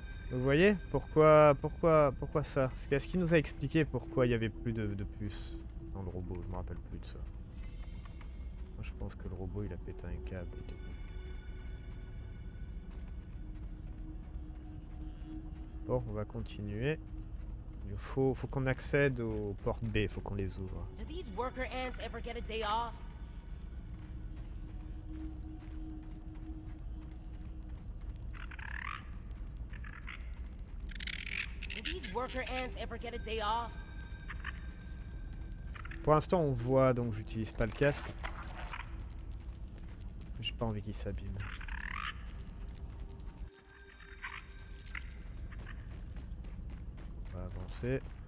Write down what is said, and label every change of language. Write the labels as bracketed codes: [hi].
[fr] Vous voyez pourquoi ça? Qu'est-ce qu'il nous a expliqué pourquoi il n'y avait plus de puces dans le robot? Je me rappelle plus de ça. Moi, je pense que le robot il a pété un câble. Bon, on va continuer. Il faut qu'on accède aux portes B, il faut qu'on les ouvre. [en] Do these worker ants ever get a day off? Do these worker ants ever get a day off? [fr] Pour l'instant, on voit, donc j'utilise pas le casque. J'ai pas envie qu'il s'abîme. Avancer.